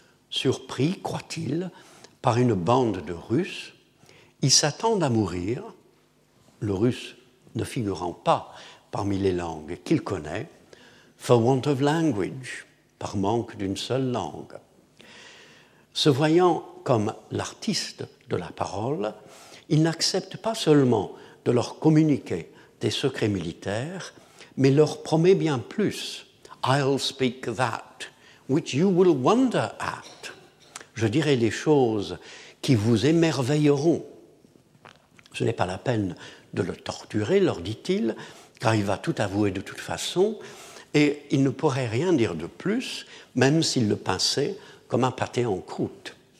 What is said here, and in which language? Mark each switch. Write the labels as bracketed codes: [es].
[fr] Surpris, croit-il, par une bande de Russes, ils s'attendent à mourir, le russe ne figurant pas parmi les langues qu'il connaît, [en] for want of language, [fr] par manque d'une seule langue. Se voyant comme l'artiste de la parole, ils n'acceptent pas seulement de leur communiquer des secrets militaires, mais leur promet bien plus. [en] I'll speak that, which you will wonder at. [fr] Je dirai des choses qui vous émerveilleront. Ce n'est pas la peine de le torturer, leur dit-il, car il va tout avouer de toute façon, et il ne pourrait rien dire de plus, même s'il le pinçait comme un pâté en croûte.